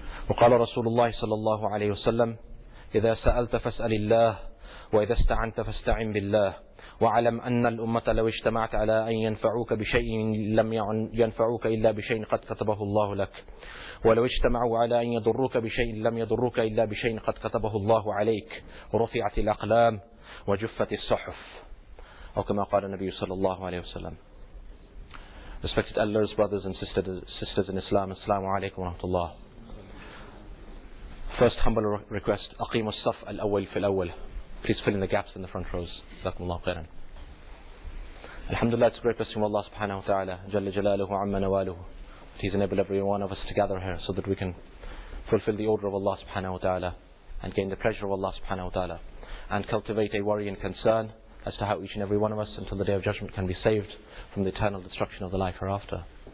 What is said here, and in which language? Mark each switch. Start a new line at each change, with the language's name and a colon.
Arabic: وقال رسول الله صلى الله عليه وسلم: إذا سألت فاسأل الله، وإذا استعنت فاستعن بالله، وعلم أن الأمة لو اجتمعت على أن ينفعوك بشيء لم ينفعوك إلا بشيء قد كتبه الله لك، ولو اجتمعوا على أن يضروك بشيء لم يضروك إلا بشيء قد كتبه الله عليك، رفعت الأقلام وجفت الصحف. أو كما قال النبي صلى الله عليه وسلم.
English: Respected elders, brothers and sisters in Islam,
Arabic: السلام عليكم ورحمة الله.
English: First humble request:
Arabic: أقيم الصف الأول في الأول.
English: Please fill in the gaps in the front rows.
Arabic: جزاكم الله خيرا.
English: Alhamdulillah, it's a great blessing from Allah subhanahu wa ta'ala, Jalla Jalaluhu, Amma Nawaluhu. He's enabled every one of us to gather here so that we can fulfill the order of Allah subhanahu wa ta'ala and gain the pleasure of Allah subhanahu wa ta'ala and cultivate a worry and concern as to how each and every one of us until the day of judgment can be saved from the eternal destruction of the life hereafter.